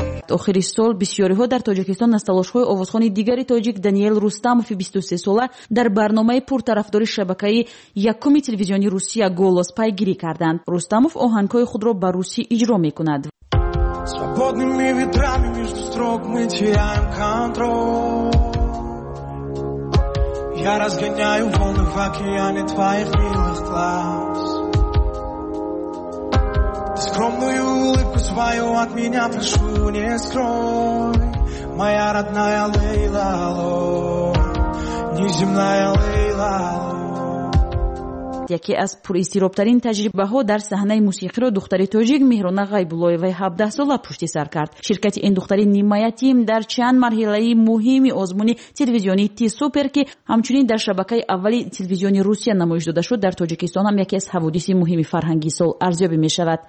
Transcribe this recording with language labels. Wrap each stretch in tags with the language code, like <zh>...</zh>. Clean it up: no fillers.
<fa>آخری سال بسیاری ها در تاجیکستان از تلاش های آوازخوان دیگری تاجیک دانیل رستموف 23 ساله در برنامه پرطرفدار شبکه یکم تلویزیونی روسیه گولوس پیگیری کردند. رستموف آهنگ های خود را به روسی اجرا می کند.</fa> <ru>Свободными ветрами между строк мы теряем контроль. Я разгоняю волны в океане твоих милых глаз. Скромную улыбку свою от меня прошу, не скрой. Моя родная Лейла-ло, неземная Лейла-ло.</ru> <fa>یکی از پراضطراب‌ترین تجربه‌ها در صحنه موسیقی را دختری تاجیک مهرانه غیب‌اللهیوه 17 ساله پشت سر کرد. شرکت این دختری نمایتیم در چند مرحله مهم آزمون تلویزیونی تی سوپر که همچنین در شبکه اولی تلویزیونی روسیه نمایش داده شد، در تاجیکستان هم یکی از حوادث مهم فرهنگی سال ارزیابی می‌شود.</fa>